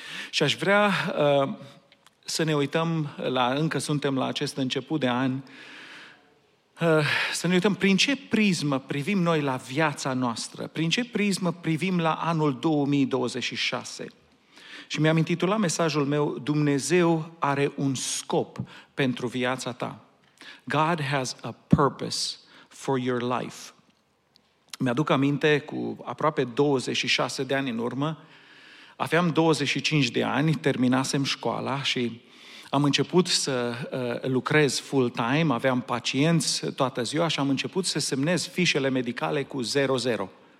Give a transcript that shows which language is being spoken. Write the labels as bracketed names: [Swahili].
[Romanian] Și aș vrea să ne uităm, încă suntem la acest început de an, să ne uităm prin ce prismă privim noi la viața noastră, prin ce prismă privim la anul 2026. Și mi-am intitulat mesajul meu: Dumnezeu are un scop pentru viața ta. [English] God has a purpose for your life. [Romanian] Mi-aduc aminte, cu aproape 26 de ani în urmă, aveam 25 de ani, terminasem școala și am început să lucrez full-time, aveam pacienți toată ziua și am început să semnez fișele medicale cu 00.